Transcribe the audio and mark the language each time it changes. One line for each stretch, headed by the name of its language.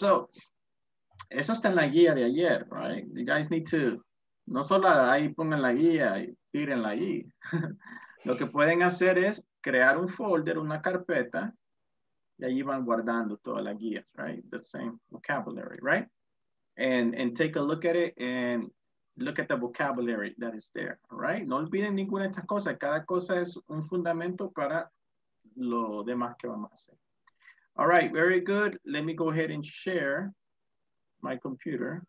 Spanish: So, eso está en la guía de ayer,
English: right? You guys need to,
Spanish: no solo ahí pongan la guía y tírenla allí. Lo que pueden hacer es crear un folder, una carpeta, y allí van guardando toda la guía,
English: right? The same vocabulary, right? And take a look at it and look at the vocabulary that is there, right?
Spanish: No olviden ninguna de estas cosas. Cada cosa es un fundamento para lo demás que vamos a hacer.
English: All right, very good. Let me go ahead and share my computer.